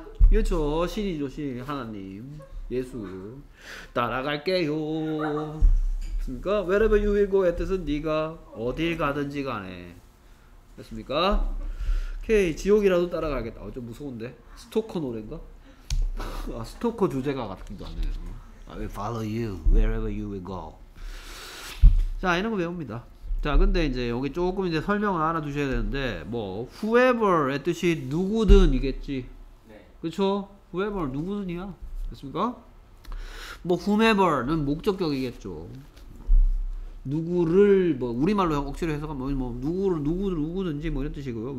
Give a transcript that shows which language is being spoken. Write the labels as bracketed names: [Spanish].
[Korean] 그렇죠, 신이죠, 신 하나님, 예수. 따라갈게요. 됐습니까? [English] Wherever you will go [Korean] 의 뜻은 네가 어딜 가든지 간에. 됐습니까? 오케이, 지옥이라도 따라가겠다. 좀 무서운데? 스토커 노래인가? 아, 스토커 주제가 같기도 하네요. [English] I will follow you wherever you will go. [Korean] 자, 이런 거 배웁니다. 자, 근데 이제 여기 조금 이제 설명을 알아두셔야 되는데, 뭐 whoever의 뜻이 누구든이겠지. 네. 그렇죠? whoever 누구든이야. 됐습니까? 뭐 whomever는 목적격이겠죠. 누구를 뭐 우리말로 억지로 해석하면 뭐 누구를 누구든 누구든지 뭐 이런 뜻이고요.